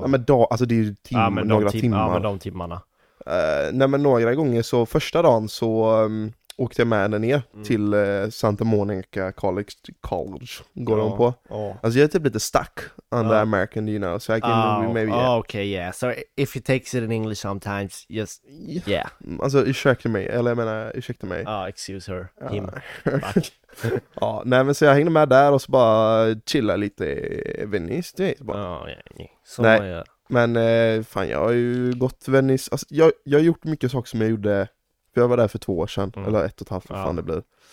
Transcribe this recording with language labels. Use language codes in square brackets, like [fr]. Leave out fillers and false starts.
[sv] Nej, men alltså det är ju timmar. Ja, men de timmarna. Nej, men några gånger, så första dagen så åkte jag med henne ner till Santa Monica College går hon på. Oh. Alltså jag är typ lite [en] stuck on the American, you know, so I can maybe... Yeah. Okay, yeah. So if it takes it in English sometimes, just, yeah. [sv] Alltså ursäkta mig, eller jag menar, ursäkta mig. [en] Ja, excuse her, him. [sv] Ja, nej, men så jag hängde med där och så bara chilla lite i Venice. Ja, bara... yeah. Så nej, men fan, jag har ju gått Venice. Alltså, jag har gjort mycket saker som jag gjorde... För jag var där för två år sedan, eller ett och ett halvt, vad fan det blir.